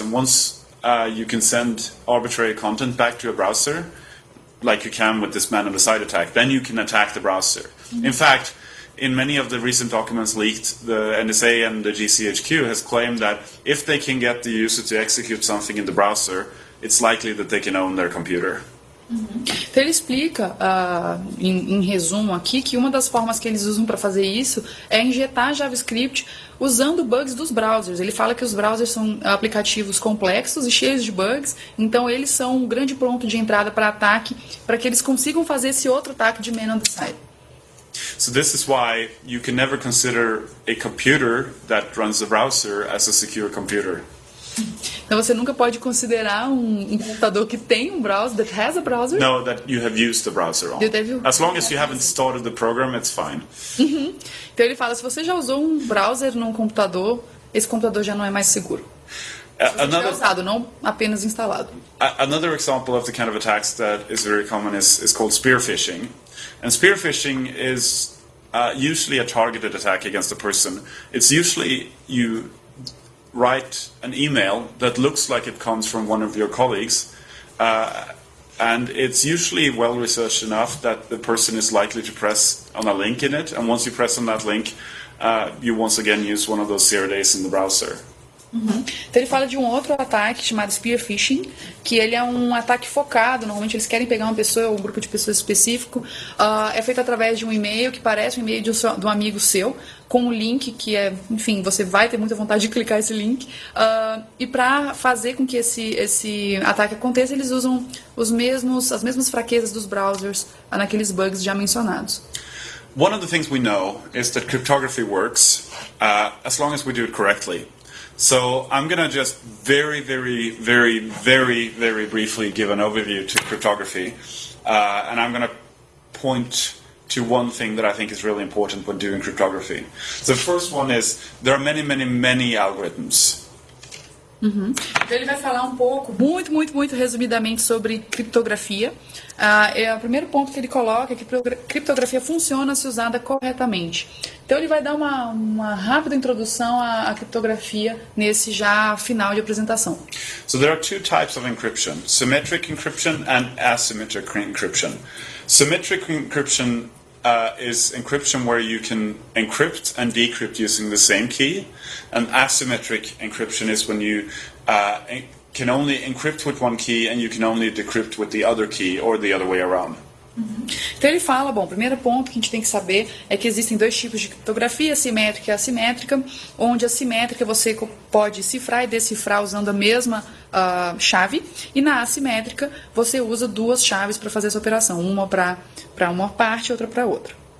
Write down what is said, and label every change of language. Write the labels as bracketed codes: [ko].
[en] And once you can send arbitrary content back to a browser, like you can with this man on the side attack, then you can attack the browser. In fact, in many of the recent documents leaked, the NSA and the GCHQ has claimed that if they can get the user to execute something in the browser, it's likely that they can own their computer. [pt] Então ele explica, em resumo aqui, que uma das formas que eles usam para fazer isso é injetar JavaScript usando bugs dos browsers. Ele fala que os browsers são aplicativos complexos e cheios de bugs, então eles são um grande ponto de entrada para ataque, para que eles consigam fazer esse outro ataque de man on the side. [en] So this is why you can never consider a computer that runs a browser as a secure computer. [pt] Então você nunca pode considerar um computador que tem um browser, [en] that has a browser? No, that you have used the browser on. As long as you haven't started the program, it's fine. [pt] Então ele fala, se você já usou um browser num computador, esse computador já não é mais seguro. [en] Another [pt] usado, não apenas instalado. [en] Another example of the kind of attacks that is very common is called spear phishing. And spear phishing is usually a targeted attack against a person. It's usually you write an email that looks like it comes from one of your colleagues, and it's usually well researched enough that the person is likely to press on a link in it, and once you press on that link, you once again use one of those 0 days in the browser. [pt] Então ele fala de um outro ataque chamado spear phishing, que ele é um ataque focado, normalmente eles querem pegar uma pessoa ou um grupo de pessoas específico, é feito através de um e-mail que parece um e-mail de um amigo seu, com um link que é, enfim, você vai ter muita vontade de clicar esse link, e para fazer com que esse ataque aconteça, eles usam as mesmas fraquezas dos browsers naqueles bugs já mencionados. [en] One of the things we know is that cryptography works, as long as we do it correctly. So I'm going to just very, very, very, very, very briefly give an overview to cryptography. And I'm going to point to one thing that I think is really important when doing cryptography. The first one is there are many, many, many algorithms. [pt] Então ele vai falar um pouco, muito, muito, muito resumidamente sobre criptografia. É o primeiro ponto que ele coloca, que criptografia funciona se usada corretamente. Então ele vai dar uma rápida introdução à criptografia nesse já final de apresentação. [en] So there are two types of encryption, symmetric encryption and asymmetric encryption. Symmetric encryption is encryption where you can encrypt and decrypt using the same key. And asymmetric encryption is when you can only encrypt with one key and you can only decrypt with the other key or the other way around. [pt] Então ele fala, bom, o primeiro ponto que a gente tem que saber é que existem dois tipos de criptografia, simétrica e assimétrica, onde a simétrica você pode cifrar e decifrar usando a mesma chave, e na assimétrica você usa duas chaves para fazer essa operação, uma para uma parte e outra para outra.